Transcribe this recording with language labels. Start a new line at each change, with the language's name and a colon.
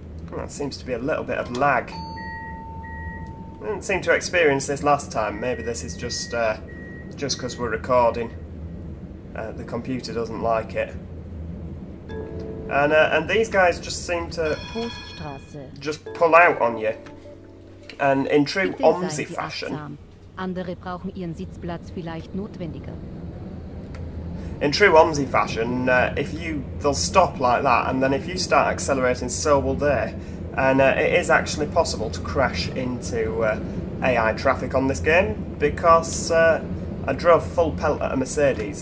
English: Well, that seems to be a little bit of lag. I didn't seem to experience this last time. Maybe this is just just because we're recording. The computer doesn't like it. And these guys just seem to just pull out on you. And in true OMSI fashion.
German: Andere brauchen ihren Sitzplatz vielleicht notwendiger.
English: In true OMSI fashion, they'll stop like that, and then if you start accelerating, so will they. And it is actually possible to crash into AI traffic on this game, because I drove full pelt at a Mercedes.